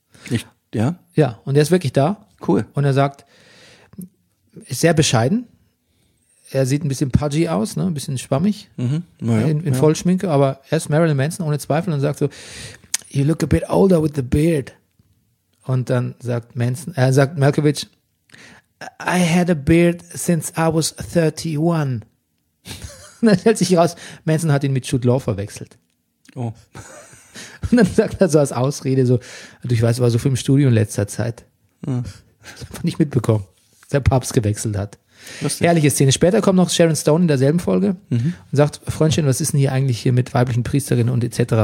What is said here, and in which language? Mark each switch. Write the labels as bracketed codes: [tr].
[de] Ich, ja? Ja, und er ist wirklich da. Cool. Und er sagt, ist sehr bescheiden, er sieht ein bisschen pudgy aus, ne, ein bisschen schwammig, in Vollschminke, aber er ist Marilyn Manson ohne Zweifel und sagt so, [en] you look a bit older with the beard. [de] Und dann sagt Malkovich, [en] I had a beard since I was 31. [de] Dann stellt sich raus, Manson hat ihn mit Jude Law verwechselt. Oh. Und dann sagt er so als Ausrede, so, du, ich weiß, war so viel im Studio in letzter Zeit. Ja. Das hat man nicht mitbekommen, dass der Papst gewechselt hat. Lustig. Herrliche Szene. Später kommt noch Sharon Stone in derselben Folge und sagt, Freundchen, was ist denn hier eigentlich hier mit weiblichen Priesterinnen und etc.